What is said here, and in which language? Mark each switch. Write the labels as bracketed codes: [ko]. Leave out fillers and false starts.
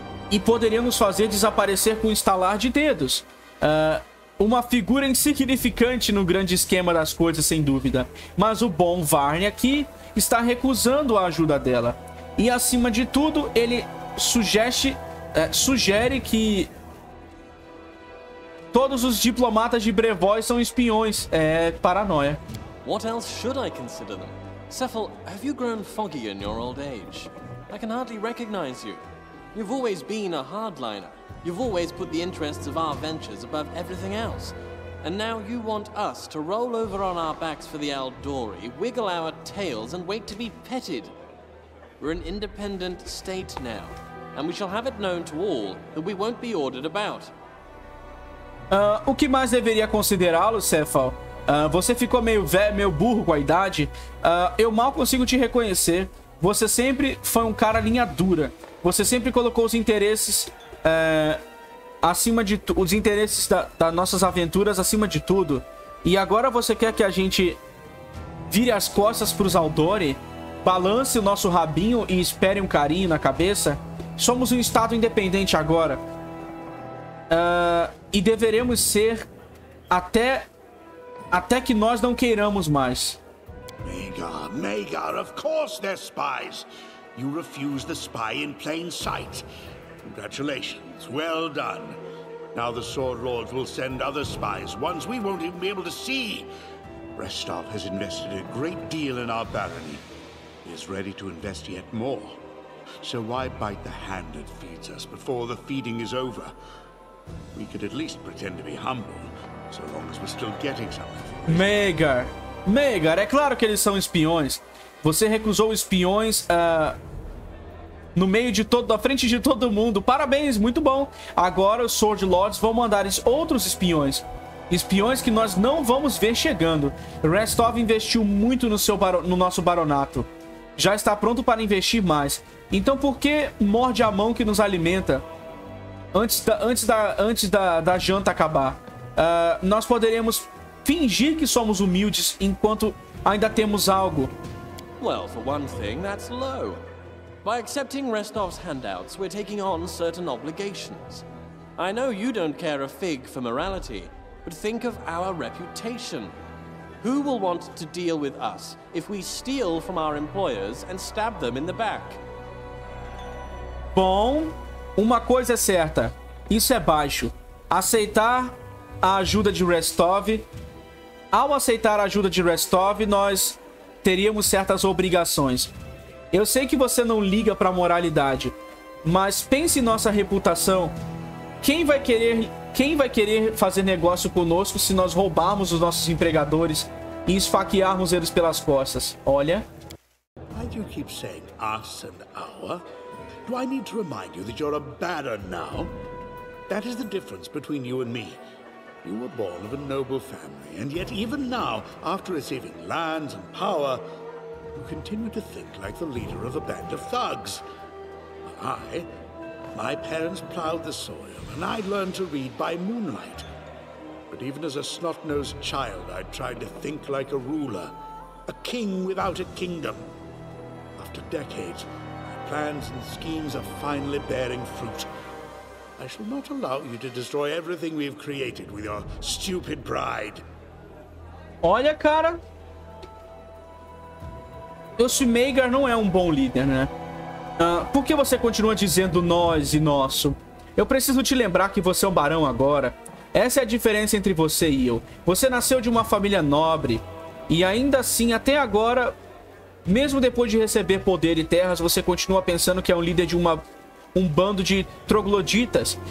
[pt] E poderíamos fazer desaparecer com um estalar de dedos. uma figura insignificante no grande esquema das coisas, sem dúvida. Mas o bom Varne aqui está recusando a ajuda dela. E acima de tudo, ele sugere que todos os diplomatas de Brevois são espiões. É paranoia. [en] What else should I consider them? Cephal, have you grown foggy in your old age? I can hardly recognize you. You've always been a hardliner. You've always put the interests of our ventures above everything else. And now you want us to roll over on our backs for the Aldori, wiggle our tails and wait to be petted. We're an independent state now, and we shall have it known to all that we won't be ordered about. [pt] O que mais deveria considerá-lo, Cephal? Você ficou meio velho, meio burro com a idade. Eu mal consigo te reconhecer. Você sempre foi um cara linha dura. Você sempre colocou os interesses acima de os interesses das nossas aventuras acima de tudo. E agora você quer que a gente vire as costas para os Aldori, balance o nosso rabinho e espere um carinho na cabeça? Somos um estado independente agora. E deveremos ser até que nós não queiramos mais. [en] Magar, Magar, of course they're spies. You refuse the spy in plain sight. Congratulations, well done. Now the Sword Lords will send other spies, ones we won't even be able to see. Restov has invested a great deal in our barony. He is ready to invest yet more. So why bite the hand that feeds us before the feeding is over? We could at least pretend to be humble, so long as we're still getting something. [pt] Magar, Magar, é claro que eles são espiões. Você recusou espiões no meio de todo, na frente de todo mundo. Parabéns, muito bom. Agora os Sword Lords vão mandar outros espiões. Espiões que nós não vamos ver chegando. Restov investiu muito no nosso baronato. Já está pronto para investir mais. Então por que morde a mão que nos alimenta? Antes da janta acabar. Nós poderíamos fingir que somos humildes enquanto ainda temos algo. [en] Well, for one thing, that's low. By accepting Restov's handouts, we're taking on certain obligations. I know you don't care a fig for morality, but think of our reputation. Who will want to deal with us if we steal from our employers and stab them in the back? [pt] Bom, uma coisa é certa. Isso é baixo. Aceitar a ajuda de Restov. Ao aceitar a ajuda de Restov, nós teríamos certas obrigações. Eu sei que você não liga para a moralidade, mas pense em nossa reputação. Quem vai querer fazer negócio conosco se nós roubarmos os nossos empregadores e esfaquearmos eles pelas costas? Olha. [en] Why do you keep saying us and our? Do I need to remind you that you're a baron now? That is the difference between you and me. You were born of a noble family, and yet even now, after receiving lands and power, you continue to think like the leader of a band of thugs. My parents plowed the soil, and I learned to read by moonlight. But even as a snot-nosed child, I tried to think like a ruler, a king without a kingdom. After decades, my plans and schemes are finally bearing fruit. I shall not allow you to destroy everything we've created with your stupid pride. [pt] Olha, cara. Esse Magar não é um bom líder, né? Por que você continua dizendo nós e nosso? Eu preciso te lembrar que você é um barão agora. Essa é a diferença entre você e eu. Você nasceu de uma família nobre. E ainda assim, até agora, mesmo depois de receber poder e terras, você continua pensando que é um líder de um bando de trogloditas.